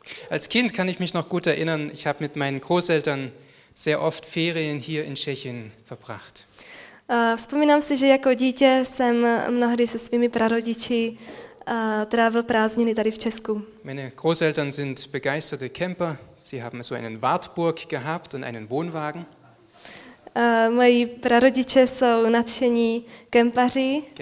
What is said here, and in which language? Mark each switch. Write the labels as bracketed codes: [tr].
[de] Als Kind kann ich mich noch gut erinnern, ich habe mit meinen Großeltern sehr oft Ferien hier in Tschechien verbracht. [cs] Vzpomínám si, že jako dítě jsem mnohdy se svými prarodiči trávil prázdniny tady v Česku. [de] Meine Großeltern sind begeisterte Camper, sie haben so einen Wartburg gehabt und einen Wohnwagen. [cs] Moji prarodiče jsou nadšení kempaři.